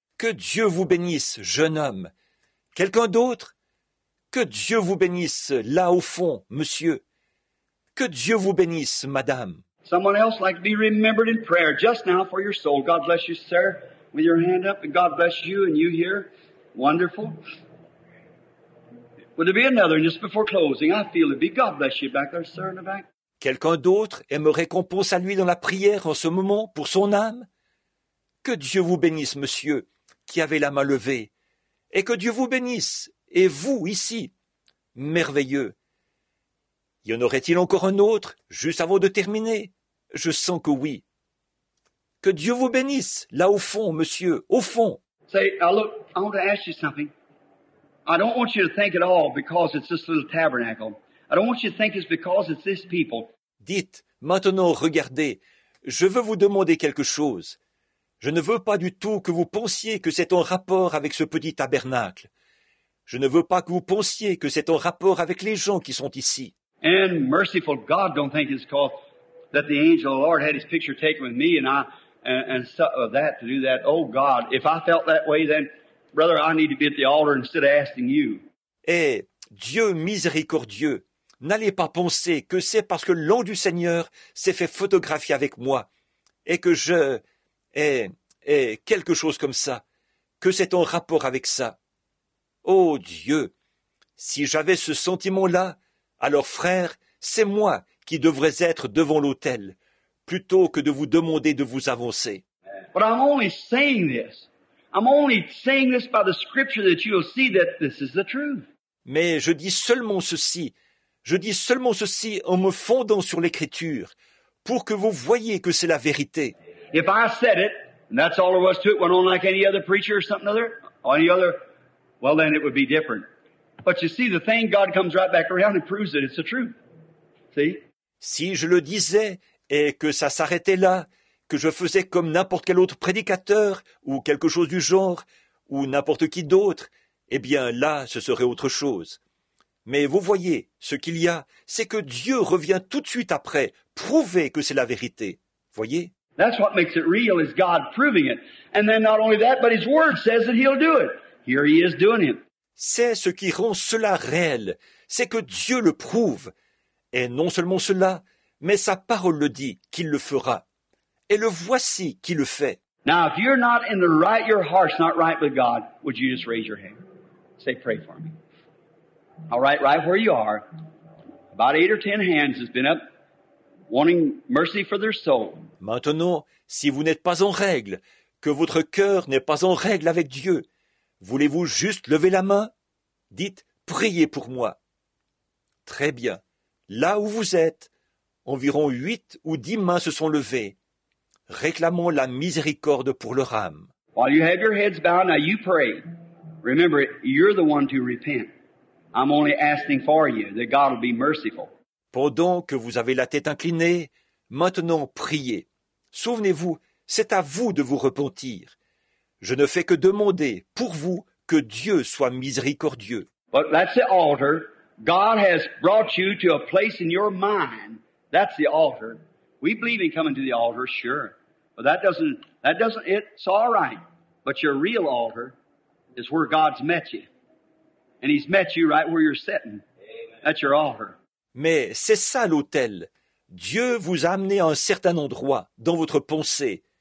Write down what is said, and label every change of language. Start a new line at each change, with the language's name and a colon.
French: Que Dieu vous bénisse, jeune homme. Quelqu'un d'autre? Que Dieu vous bénisse, là au fond, monsieur. Que Dieu vous bénisse, madame.
English: Someone else like to be remembered in prayer just now for your soul. God bless you, sir. With your hand up, and God bless you and you here. Wonderful. Would there be another, just before closing, I feel it be. God bless you back there, sir, in the back.
French: Quelqu'un d'autre aimerait qu'on pense à lui dans la prière en ce moment, pour son âme? Que Dieu vous bénisse, monsieur, qui avez la main levée. Et que Dieu vous bénisse, et vous, ici. Merveilleux. Y en aurait-il encore un autre, juste avant de terminer? Je sens que oui. Que Dieu vous bénisse, là au fond, monsieur, au fond.
English: Say, look, I want to ask you something. I don't want you to think at all because it's this little tabernacle. I don't want you to think it's because it's this people.
French: Dites, maintenant, regardez, je veux vous demander quelque chose. Je ne veux pas du tout que vous pensiez que c'est en rapport avec ce petit tabernacle. Je ne veux pas que vous pensiez que c'est en rapport avec les gens qui sont ici.
English: And merciful God don't think it's called... That the angel of the Lord had his picture taken with me and to do that. Oh God, if I felt that way, then, brother, I need to be at the altar instead of asking you.
French: Eh, Dieu miséricordieux, n'allez pas penser que c'est parce que l'ange du Seigneur s'est fait photographier avec moi et que je, quelque chose comme ça, que c'est en rapport avec ça. Oh Dieu, si j'avais ce sentiment-là, Alors, frère, c'est moi qui devrais être devant l'autel plutôt que de vous demander de vous avancer.
English: But I'm only saying this. I'm only saying this by the scripture that you'll see that this is the truth.
French: Mais je dis seulement ceci. Je dis seulement ceci en me fondant sur l'écriture pour que vous voyez que c'est la vérité.
English: If I said it, and that's all there was to it, went on like any other preacher or something other, or any other, well then it would be different. But you see, the thing, God comes right back around and proves it, it's the truth. See?
French: Si je le disais et que ça s'arrêtait là, que je faisais comme n'importe quel autre prédicateur ou quelque chose du genre, ou n'importe qui d'autre, eh bien là, ce serait autre chose. Mais vous voyez, ce qu'il y a, c'est que Dieu revient tout de suite après, prouver que c'est la vérité. Voyez?
English: That's what makes it real, is God proving it. And then not only that, but His Word says that He'll do it. Here He is doing it.
French: C'est ce qui rend cela réel, c'est que Dieu le prouve. Et non seulement cela, mais sa parole le dit qu'il le fera. Et le voici qui le fait.
English: Now, if you're not in the right, your heart's not right with God, would you just raise your hand? Say, pray for me. All right, right where you are, about 8 or 10 hands has been up wanting mercy for their soul.
French: Maintenant, si vous n'êtes pas en règle, que votre cœur n'est pas en règle avec Dieu, voulez-vous juste lever la main? Dites, priez pour moi. Très bien. Là où vous êtes, environ 8 ou 10 mains se sont levées. Réclamons la miséricorde pour leur âme.
English: While you have your heads bowed, now you pray. Remember, you're the one to repent. I'm only asking for you that God will be merciful.
French: Pendant que vous avez la tête inclinée, maintenant priez. Souvenez-vous, c'est à vous de vous repentir. Je ne fais que demander pour vous que Dieu soit miséricordieux.
English: But that's the altar. God has brought you to a place in your mind. That's the altar. We believe in coming to the altar, sure, but that doesn't, it's all right. But your real altar is where God's met you, and He's met you right where you're sitting. That's your altar.
French: Mais c'est ça l'autel. Dieu vous a amené à un certain endroit dans votre pensée.